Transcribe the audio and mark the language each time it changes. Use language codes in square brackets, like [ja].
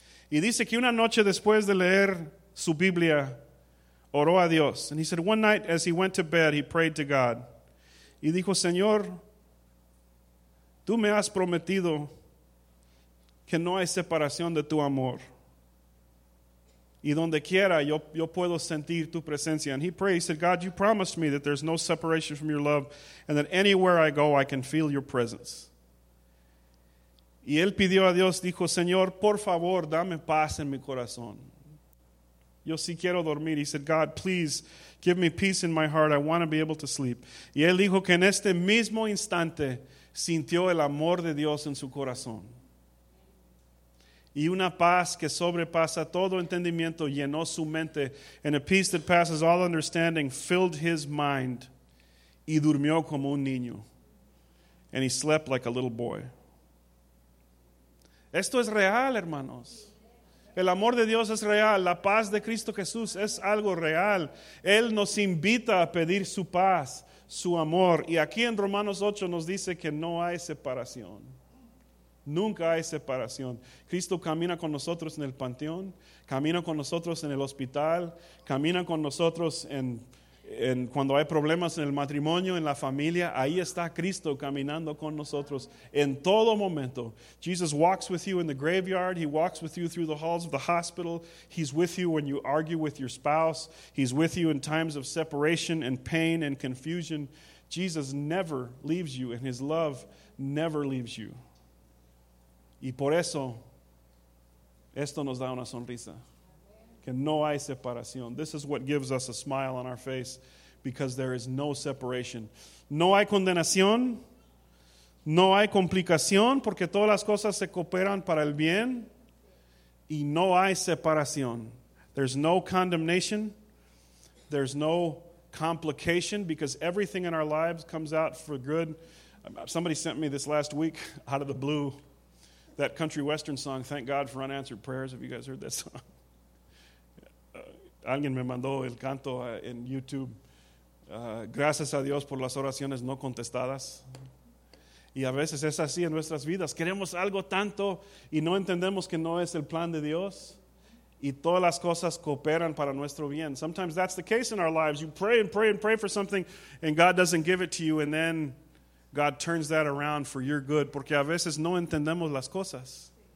[es] Y dice que una noche después de leer su Biblia, oró a Dios. [en] And he said, one night as he went to bed, he prayed to God. [es] Y dijo, Señor, tú me has prometido que no hay separación de tu amor. Y donde quiera yo puedo sentir tu presencia. [en] And he prayed, he said, God, you promised me that there's no separation from your love and that anywhere I go, I can feel your presence. [es] Y él pidió a Dios, dijo, Señor, por favor, dame paz en mi corazón. Yo sí quiero dormir. [en] He said, God, please give me peace in my heart. I want to be able to sleep. [es] Y él dijo que en este mismo instante sintió el amor de Dios en su corazón. Y una paz que sobrepasa todo entendimiento llenó su mente. [en] And a peace that passes all understanding filled his mind. [es] Y durmió como un niño. [en] And he slept like a little boy. [es] Esto es real, hermanos. El amor de Dios es real. La paz de Cristo Jesús es algo real. Él nos invita a pedir su paz, su amor. Y aquí en Romanos 8 nos dice que no hay separación. Nunca hay separación. Cristo camina con nosotros en el panteón, camina con nosotros en el hospital, camina con nosotros en cuando hay problemas en el matrimonio, en la familia. Ahí está Cristo caminando con nosotros en todo momento. [en] Jesus walks with you in the graveyard. He walks with you through the halls of the hospital. He's with you when you argue with your spouse. He's with you in times of separation and pain and confusion. Jesus never leaves you, and his love never leaves you. [es] Y por eso, esto nos da una sonrisa. Que no hay separación. [en] This is what gives us a smile on our face, because there is no separation. [es] No hay condenación. No hay complicación, porque todas las cosas se cooperan para el bien. Y no hay separación. [en] There's no condemnation. There's no complication, because everything in our lives comes out for good. Somebody sent me this last week out of the blue. That country western song, Thank God for Unanswered Prayers. Have you guys heard that song? [es] Alguien me mandó el canto en YouTube. Gracias a Dios por las oraciones no contestadas. Y a veces es así en nuestras vidas. Queremos algo tanto y no entendemos que no es el plan de Dios. Y todas las cosas cooperan para nuestro bien. [en] Sometimes that's the case in our lives. You pray and pray and pray for something and God doesn't give it to you, and then God turns that around for your good, [es] porque a veces no entendemos las cosas.